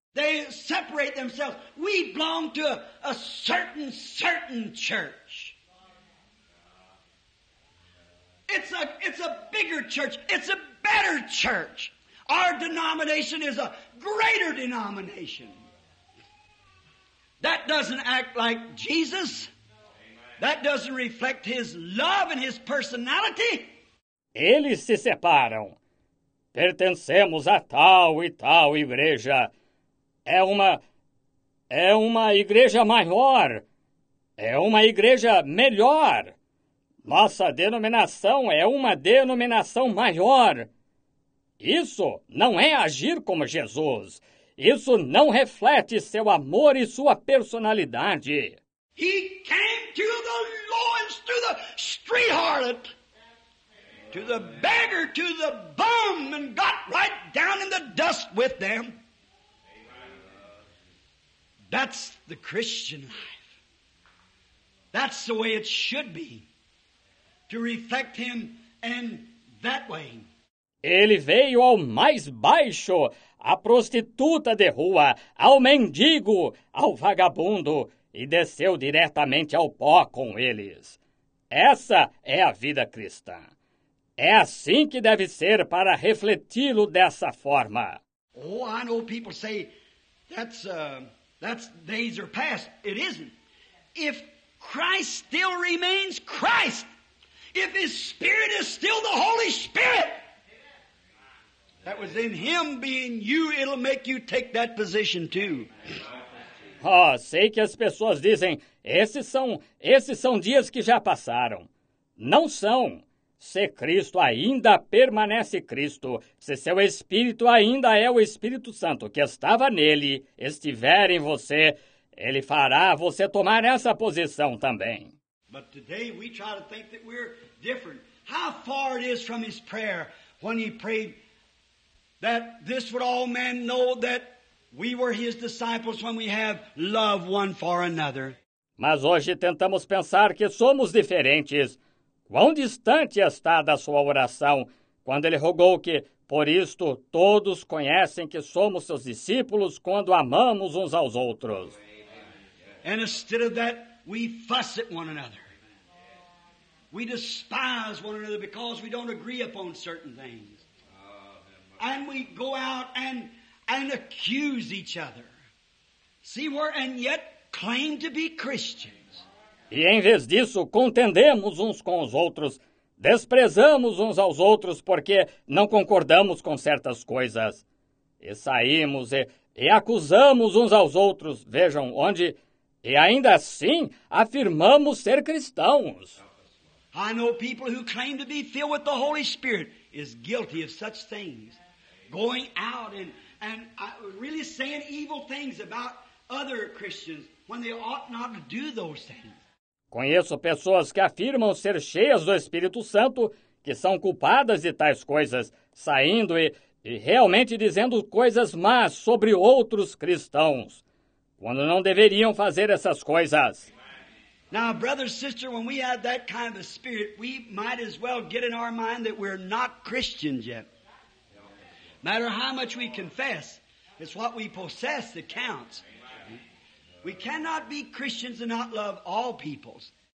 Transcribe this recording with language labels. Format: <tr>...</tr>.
<en>They separate themselves. We belong to a certain church. It's a bigger church. It's a better church. Our denomination is a greater denomination. That doesn't act like Jesus. That doesn't reflect his love and his personality.</en> <pt>Eles se separam. Pertencemos a tal e tal igreja. É uma igreja maior. É uma igreja melhor. Nossa denominação é uma denominação maior. Isso não é agir como Jesus. Isso não reflete seu amor e sua personalidade.</pt> <en>He came to the lowest, to the street harlot, to the beggar, to the bum, and got right down in the dust with them. That's the Christian life. That's the way it should be, to reflect him in that way.</en> <pt>Ele veio ao mais baixo, à prostituta de rua, ao mendigo, ao vagabundo, e desceu diretamente ao pó com eles. Essa é a vida cristã. É assim que deve ser para refleti-lo dessa forma.</pt> <en>Oh, I know people say that's days are past. It isn't. If Christ still remains Christ, if his Spirit is still the Holy Spirit that was in him being you, it'll make you take that position too.</en> <pt>Oh, sei que as pessoas dizem, esses são dias que já passaram. Não são. Se Cristo ainda permanece Cristo, se seu Espírito ainda é o Espírito Santo que estava nele, estiver em você, ele fará você tomar essa posição também.</pt> <en>But today we try to think that we're different. How far it is from his prayer when he prayed that this would all men know that we were his disciples when we have love one for another.</en> <pt>Mas hoje tentamos pensar que somos diferentes. Quão distante está da sua oração quando ele rogou que, por isto, todos conhecem que somos seus discípulos quando amamos uns aos outros.</pt> <en>And instead of that, we fuss at one another. We despise one another because we don't agree upon certain things. And we go out and accuse each other. See, we're and yet claim to be Christians.</en> <pt>E em vez disso, contendemos uns com os outros, desprezamos uns aos outros porque não concordamos com certas coisas. E saímos e acusamos uns aos outros, vejam onde, e ainda assim afirmamos ser cristãos.</pt> <en>I know people who claim to be filled with the Holy Spirit is guilty of such things. Going out and really saying evil things about other Christians when they ought not to do those things.</en> <pt>Conheço pessoas que afirmam ser cheias do Espírito Santo, que são culpadas de tais coisas, saindo e realmente dizendo coisas más sobre outros cristãos, quando não deveriam fazer essas coisas.</pt> <en>Now, brother, sister, when we have that kind of a spirit, we might as well get in our mind that we're not Christians yet. No matter how much we confess, it's what we possess that counts. We cannot be Christians and not love all peoples.</en>